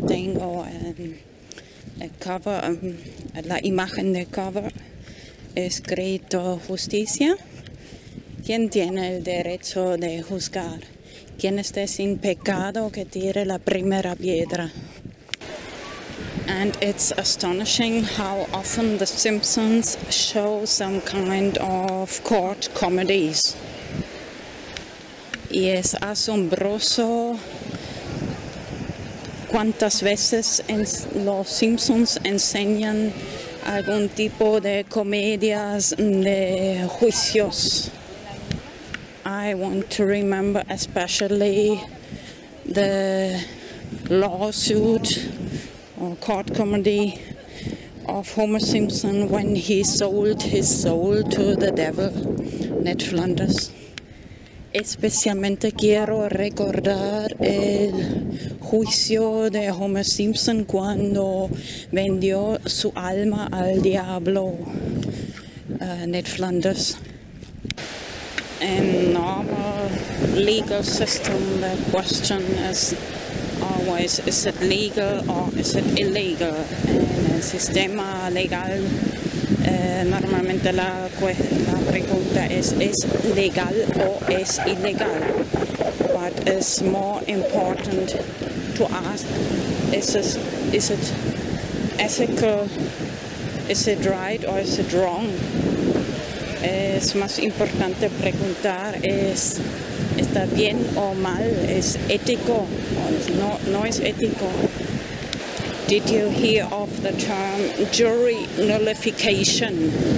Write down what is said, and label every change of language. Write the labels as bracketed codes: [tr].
[es] Tengo el cover, la imagen del cover escrito justicia. ¿Quién tiene el derecho de juzgar? ¿Quién esté sin pecado que tire la primera piedra? [en] And it's astonishing how often The Simpsons show some kind of court comedies. [es] Y es asombroso cuántas veces los Simpsons enseñan algún tipo de comedias de juicios. [en] I want to remember especially the lawsuit or court comedy of Homer Simpson when he sold his soul to the devil, Ned Flanders. [es] Especialmente quiero recordar el juicio de Homer Simpson cuando vendió su alma al diablo, Ned Flanders. [en] In normal legal system, the question is always, is it legal or is it illegal? [es] En el sistema legal, normalmente la pregunta es legal o es ilegal? [en] But it's more important to ask, is it ethical? Is it right or is it wrong? [es] Es más importante preguntar, ¿está bien o mal? ¿Es ético? No es ético. Did you hear of the term jury nullification?